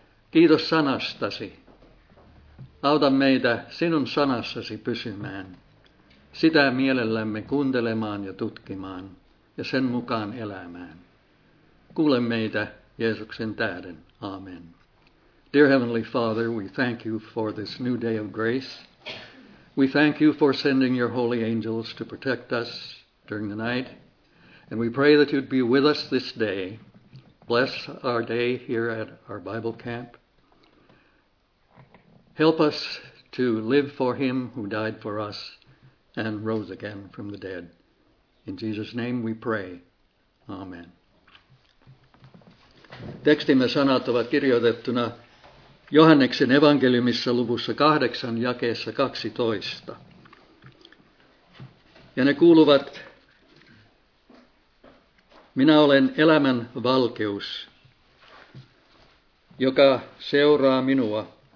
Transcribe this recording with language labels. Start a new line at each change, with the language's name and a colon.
Finnish: Kiitos sanastasi. Auta meitä sinun sanassasi pysymään. Sitä mielellämme kuuntelemaan ja tutkimaan ja sen mukaan elämään. Kuule meitä Jeesuksen tähden. Amen.
English: Dear Heavenly Father, we thank you for this new day of grace. We thank you for sending your holy angels to protect us during the night. And we pray that you'd be with us this day. Bless our day here at our Bible camp. Help us to live for him who died for us and rose again from the dead. In Jesus' name we pray. Amen.
Finnish: Tekstimme sanat ovat kirjoitettuna Johanneksen evankeliumissa luvussa 8 jakeessa 12. Ja ne kuuluvat: minä olen elämän valkeus, joka seuraa minua.